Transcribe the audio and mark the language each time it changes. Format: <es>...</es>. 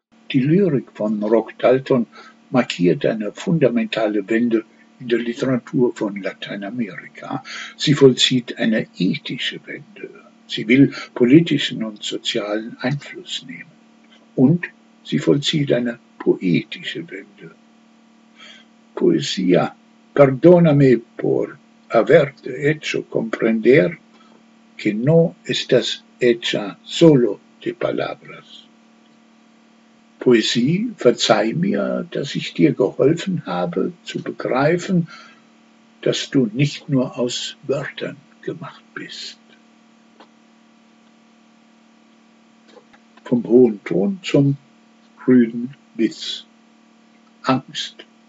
<de>Die Lyrik von Rock Dalton markiert eine fundamentale Wende in der Literatur von Lateinamerika. Sie vollzieht eine ethische Wende. Sie will politischen und sozialen Einfluss nehmen. Und sie vollzieht eine poetische Wende.</de> <es>Poesia, perdona me por averte hecho comprender que no estás hecha solo de palabras.</es> <de>Poesie, verzeih mir, dass ich dir geholfen habe, zu begreifen, dass du nicht nur aus Wörtern gemacht bist. Vom hohen Ton zum rüden Witz. Angst.</de>